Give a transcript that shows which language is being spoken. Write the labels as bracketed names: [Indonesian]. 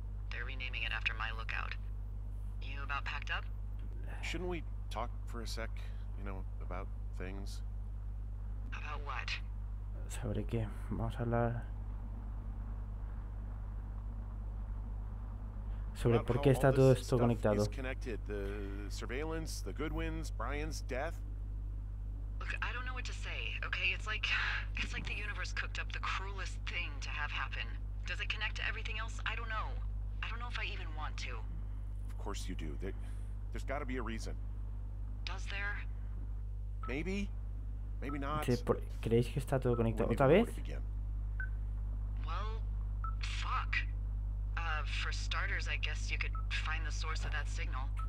[English] They're renaming it after my lookout. You about packed up? Shouldn't we talk for a sec, you know, about things? About what? [Spanish] Sobre qué. Vamos a hablar sobre por qué está todo esto conectado. [English] The surveillance, the Goodwins, Brian's death. Look, I don't know what to say. Okay, it's like the universe cooked up the cruelest thing to have happen. Does it connect to everything else? I don't know. I don't know if I even want to. Of course you do. There's got to be a reason. Does there? Maybe. Maybe not. [Spanish] ¿Creéis que está todo conectado otra vez? [English] Well, fuck. For starters, I guess you could find the source of that signal.